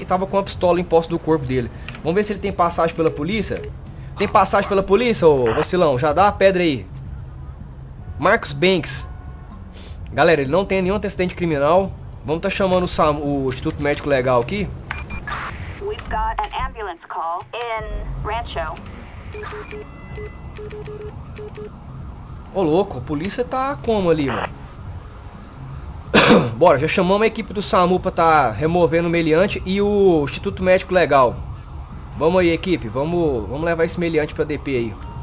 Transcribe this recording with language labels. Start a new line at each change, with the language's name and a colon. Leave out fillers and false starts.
Portuguese: E tava com uma pistola em posse do corpo dele. Vamos ver se ele tem passagem pela polícia. Tem passagem pela polícia, ô vacilão? Já dá a pedra aí. Marcos Banks. Galera, ele não tem nenhum antecedente criminal. Vamos tá chamando o Instituto Médico Legal aqui.
English: We've got an ambulance call in Rancho.
Portuguese: Ô louco, a polícia tá como ali, mano? Bora, já chamamos a equipe do SAMU pra tá removendo o meliante e o Instituto Médico Legal. Vamos aí, equipe, vamos levar esse meliante pra DP aí.